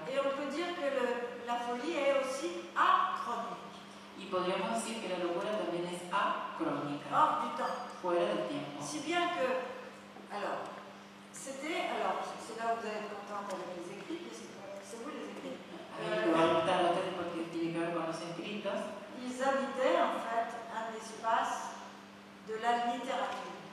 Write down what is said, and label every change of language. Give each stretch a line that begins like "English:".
French: Et on peut dire que la folie est aussi achronique.
Spanish: Y podríamos decir que la locura también es acrónica.
French: Hors du temps.
Spanish: Fuera del tiempo.
French: Si bien que, alors, c'était, alors, c'est là où vous allez entendre les écrits, mais c'est vous les écrits. Ils habitaient en fait un espace de la littérature.